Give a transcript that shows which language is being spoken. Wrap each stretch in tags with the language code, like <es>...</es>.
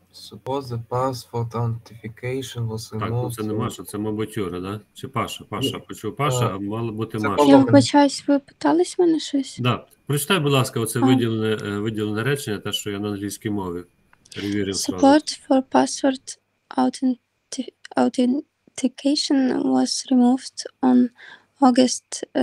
<en>Suppose the password authentication was removed.</en> <uk>Так, ну це не Маша, це мабуть Юра, да? Чи Паша? Паша, почув Паша, а мало бути Маша. Я вибачаюсь, ви питались мене щось? Да. Прочитай, будь ласка, оце виділене речення, те, що я на англійській мові. Перевірив.</uk> <en>Support for password authentication was removed on August</en>